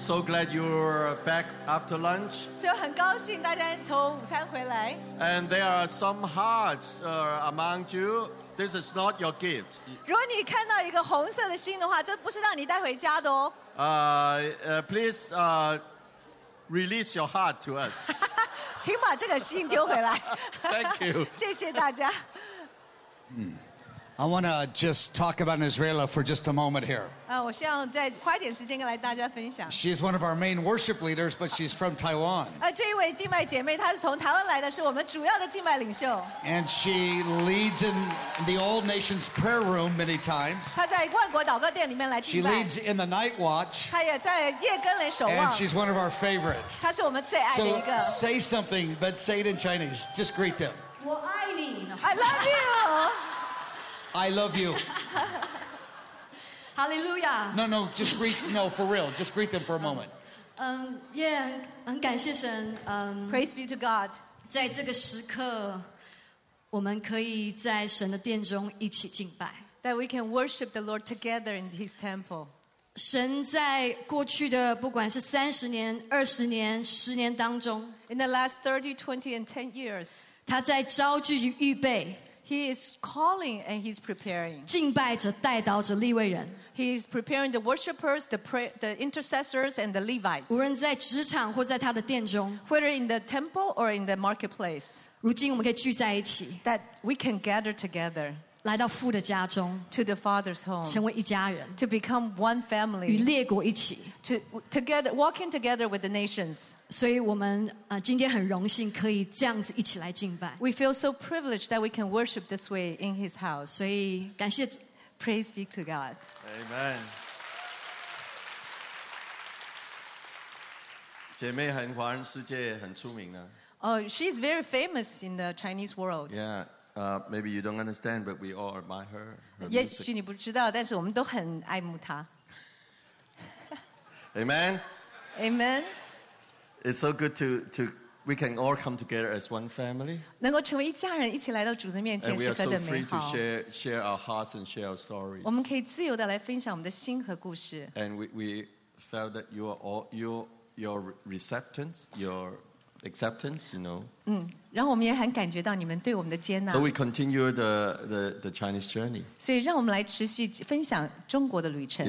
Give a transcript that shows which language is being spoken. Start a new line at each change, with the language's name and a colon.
English: So glad you're back after lunch.
Chinese: 就很高兴大家从午餐回来。
English: And there are some hearts among you. This is not your gift.
Chinese: 如果你看到一个红色的心的话，这不是让你带回家的哦。
English: Please release your heart to us.
Chinese: 请把这个心丢回来。
English: Thank you.
Chinese: 谢谢大家。
English: I want to just talk about Israela for just a moment here.
Chinese: 我想再花点时间跟来大家分享。
English: She's one of our main worship leaders, but she's from Taiwan.
Chinese: 这一位敬拜姐妹她是从台湾来的，是我们主要的敬拜领袖。
English: And she leads in the Old Nations prayer room many times.
Chinese: 她在万国祷告殿里面来敬拜。
English: She leads in the night watch.
Chinese: 她也在夜更来守望。
English: And she's one of our favorites.
Chinese: 她是我们最爱的一个。
English: So say something, but say it in Chinese. Just greet them.
Chinese: 我爱你。
English: I love you. I love you. Hallelujah. No, no, just greet. No, for real. Just greet them for a moment.
Chinese: Yeah, 感谢神。
English: Praise be to God.
Chinese: 在这个时刻，我们可以在神的殿中一起敬拜。
English: That we can worship the Lord together in His temple.
Chinese: 神在过去的不管是三十年、二十年、十年当中
English: ，In the last 30, 20, and 10 years,
Chinese: 他在招聚与预备。
English: He is calling and he's preparing.
Chinese: 敬拜者、代祷者、立位人。
English: He is preparing the worshippers, the intercessors, and the Levites.
Chinese: 无论在职场或在他的殿中。
English: Whether in the temple or in the marketplace.
Chinese: 如今我们可以聚在一起。
English: That we can gather together.
Chinese: 来到父的家中。
English: To the Father's home.
Chinese: 成为一家人。
English: To become one family.
Chinese: 与列国一起。
English: To together walking together with the nations.
Chinese: 所以我们今天很荣幸可以这样子一起来敬拜。
English: We feel so privileged that we can worship this way in His house.
Chinese: 所以感谢
English: ，Praise be to God. Amen.
Chinese: 姐妹很华人世界很出名啊。
English: She's very famous in the Chinese world. Yeah, maybe you don't understand, but we all admire her.
Chinese: 也许你不知道，但是我们都很爱慕她。
English: Amen. Amen. It's so good to we can all come together as one family.
Chinese: 能够成为一家人，一起来到主的面前，是何等美好。
English: And we are so free to share our hearts and share our stories.
Chinese: 我们可以自由的来分享我们的心和故事。
English: And we felt that you are all your receptance, your acceptance, you know.
Chinese: 然后我们也很感觉到你们对我们的接纳。
English: So we continue the Chinese journey.
Chinese: 所以让我们来持续分享中国的旅程。